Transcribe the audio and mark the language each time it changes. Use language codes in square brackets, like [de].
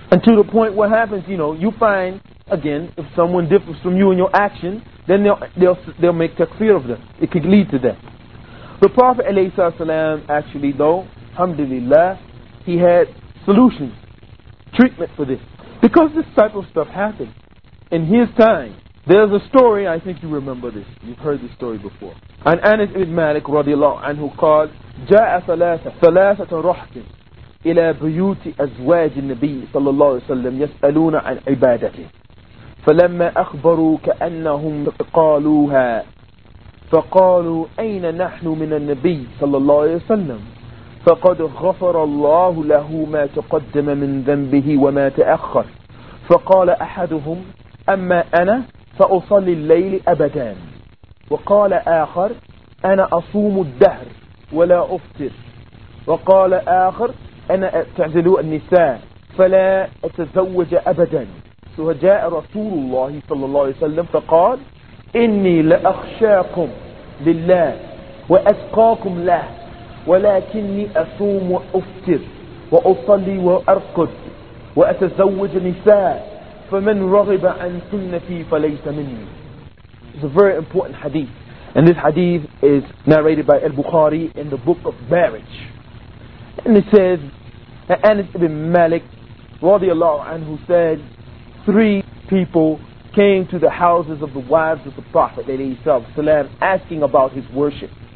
[en] And to the point what happens, you know, you find, again, if someone differs from you in your action, then they'll make takfir of them. It could lead to that. The Prophet ﷺ actually though, alhamdulillah, he had solutions, treatment for this. Because this type of stuff happened in his time. There's a story, I think you remember this. You've heard this story before. And Anas ibn Malik radiallahu anhu called, [ar] جَاءَ ثَلَاثَةَ رَحْتٍ إِلَى بُيُوتِ أَزْوَاجِ النَّبِيِّ صلى الله عليه وسلم يَسْأَلُونَ عَنْ عِبَادَتِهِ فَلَمَّا أَخْبَرُوا كَأَنَّهُمْ قَالُوهَا فَقَالُوا أَيْنَ نَحْنُ مِنَ النَّبِيِّ صلى الله عليه وسلم فَقَدْ غَفَرَ اللَّهُ لَهُ مَا تَقَدَّمَ مِنْ ذَنْبِهِ وَمَا تَأَخَّرَ فَقَالَ أَحَدُهُمْ أما أنا فأصلي الليل أبدا وقال آخر أنا أصوم الدهر ولا أفطر وقال آخر أنا أعتزل النساء فلا أتزوج أبدا فجاء رسول الله صلى الله عليه وسلم فقال إني لأخشاكم لله وأتقاكم له ولكني أصوم وأفطر وأصلي وأرقد وأتزوج نساء فَمَنْ رَغِبَ عَنْ سُنَّةِ فَلَيْسَ مِنِّي. [en] It's a very important hadith. And this hadith is narrated by al-Bukhari in the book of marriage. And it says, Anas ibn Malik radiallahu anhu said, three people came to the houses of the wives of the Prophet ﷺ asking about his worship.